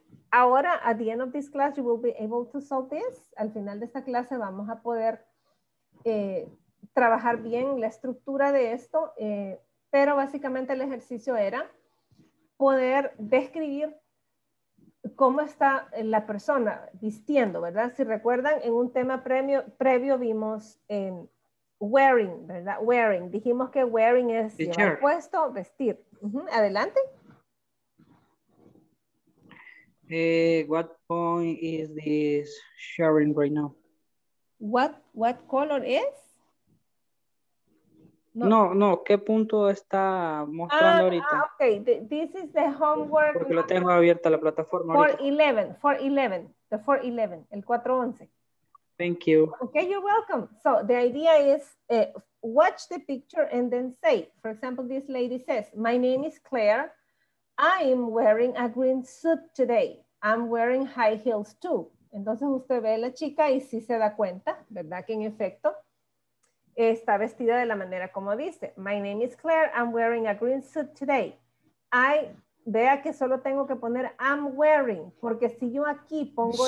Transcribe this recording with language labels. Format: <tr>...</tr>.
<en>Ahora, at the end of this class, you will be able to solve this.</en> <es>Al final de esta clase vamos a poder trabajar bien la estructura de esto, pero básicamente el ejercicio era poder describir cómo está la persona vistiendo, ¿verdad? Si recuerdan, en un tema previo vimos wearing, ¿verdad? Wearing. Dijimos que wearing es llevar puesto, vestir. Uh-huh. Adelante.</es> <en>What point is this sharing right now? What color is?</en> <es>No. ¿Qué punto está mostrando ahorita?</es> <en>Ah, ok. This is the homework.</en> <es>Porque lo tengo abierta la plataforma.</es> <en>411. 411. The 411. El 411. Thank you. Okay, you're welcome. So the idea is watch the picture and then say, for example, this lady says, my name is Claire. I'm wearing a green suit today. I'm wearing high heels too.</en> <es>Entonces usted ve a la chica y sí se da cuenta, ¿verdad? Que en efecto está vestida de la manera como dice.</es> <en>My name is Claire. I'm wearing a green suit today. I,</en> <es>vea que solo tengo que poner</es> <en>I'm wearing,</en> <es>porque si yo aquí pongo</es>